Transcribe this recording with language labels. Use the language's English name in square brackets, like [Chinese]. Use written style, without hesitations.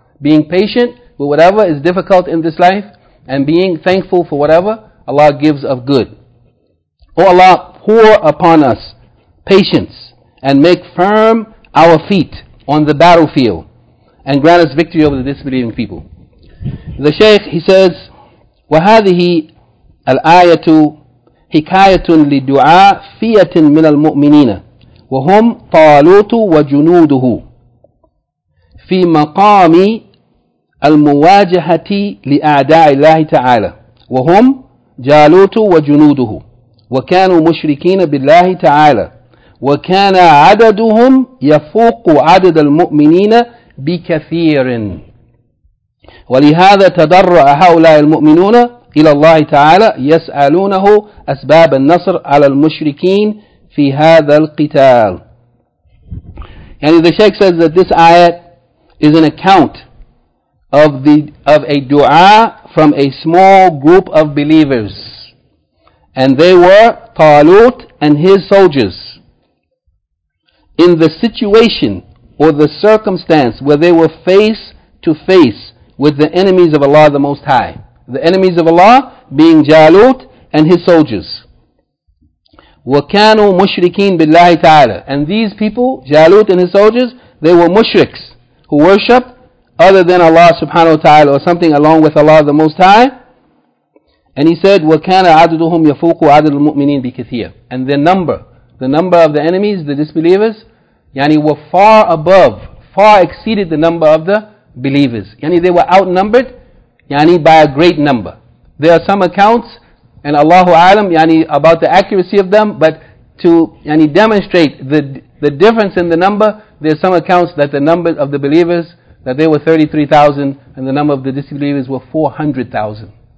[English] Being patient with whatever is difficult in this life, and being thankful for whatever Allah gives of good. O Allah, pour upon us patience, and make firm our feet on the battlefield, and grant us victory over the disbelieving people. The Shaykh, he says, [Arabic] وَهَذِهِ الْآيَةُ حكاية لدعاء فئة من المؤمنين وهم طالوت وجنوده في مقام المواجهة لأعداء الله تعالى وهم جالوت وجنوده وكانوا مشركين بالله تعالى وكان عددهم يفوق عدد المؤمنين بكثير ولهذا تضرع هؤلاء المؤمنون إلى الله تعالى يسألونه أسباب النصر على المشركين في هذا القتال. [English] يعني the Sheikh says that this ayat is an account of a dua from a small group of believers, and they were Talut and his soldiers in the situation or the circumstance where they were face to face with the enemies of Allah the Most High. The enemies of Allah being Jalut and his soldiers. [Arabic] وَكَانُوا مُشْرِكِينَ بِاللَّهِ تَعَالَى. [English] And these people, Jalut and his soldiers, they were mushriks who worshipped other than Allah subhanahu wa ta'ala or something along with Allah the Most High. And he said, [Arabic] وَكَانَ عَدُدُهُمْ يَفُوقُ عَدُدُ الْمُؤْمِنِينَ بِكَثِيرٍ. [English] And the number of the enemies, the disbelievers, yani were far above, far exceeded the number of the believers. Yani they were outnumbered, yani by a great number. There are some accounts, and Allahu A'lam, yani about the accuracy of them, but to yani demonstrate the difference in the number, there are some accounts that the number of the believers, that they were 33,000, and the number of the disbelievers were 400,000.